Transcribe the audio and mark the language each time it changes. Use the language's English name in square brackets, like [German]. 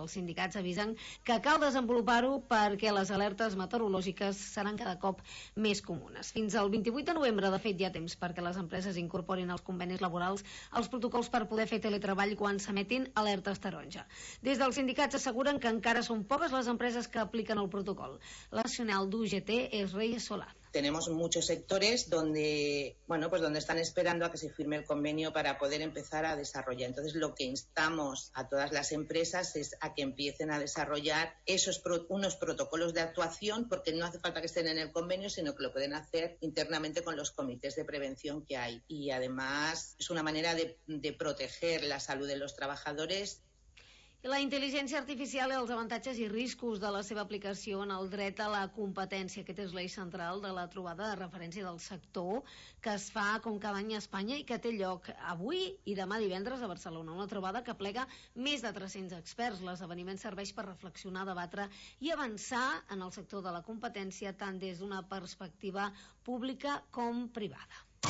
[Catalan] Els sindicats avisen que cal desenvolupar-ho perquè les alertes meteorològiques seran cada cop més comunes. Fins al 28 de novembre, de fet, hi ha temps perquè les empreses incorporin als convenis laborals els protocols per poder fer teletreball quan s'emetin alertes taronja. Des dels sindicats asseguren que encara són poques les empreses que apliquen el protocol. La nacional d'UGT és Reyes Solà. [Spanish] Tenemos muchos sectores donde, bueno, pues donde están esperando a que se firme el convenio para poder empezar a desarrollar. Entonces, lo que instamos a todas las empresas es a que empiecen a desarrollar esos unos protocolos de actuación, porque no hace falta que estén en el convenio, sino que lo pueden hacer internamente con los comités de prevención que hay. Y además, es una manera de proteger la salud de los trabajadores. [Catalan] La intel·ligència artificial i els avantatges i riscos de la seva aplicació en el dret a la competència. Aquest és l'eix central de la trobada de referència del sector que es fa com cada any a Espanya i que té lloc avui i demà divendres a Barcelona. Una trobada que plega més de 300 experts. L'esdeveniment serveix per reflexionar, debatre i avançar en el sector de la competència tant des d'una perspectiva pública com privada.